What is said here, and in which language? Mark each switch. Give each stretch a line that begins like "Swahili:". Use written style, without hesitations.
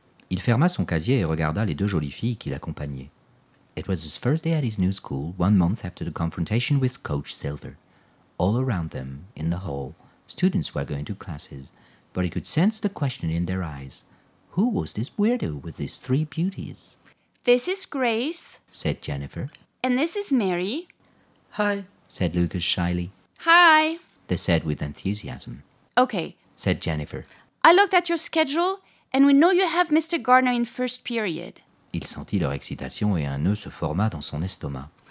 French: Il ferma son casier et regarda les deux jolies filles qui l'accompagnaient.
English: It was his first day at his new school, 1 month after the confrontation with Coach Silver. All around them, in the hall, students were going to classes, but he could sense the question in their eyes. Who was this weirdo with these three beauties? This is Grace, said Jennifer. And this is Mary. Hi, said Lucas shyly. Hi, they said with enthusiasm. Okay, said Jennifer. I looked at your schedule, and we know you have Mr. Gardner in first period.
French: Il sentit leur excitation et un nœud se forma dans son estomac.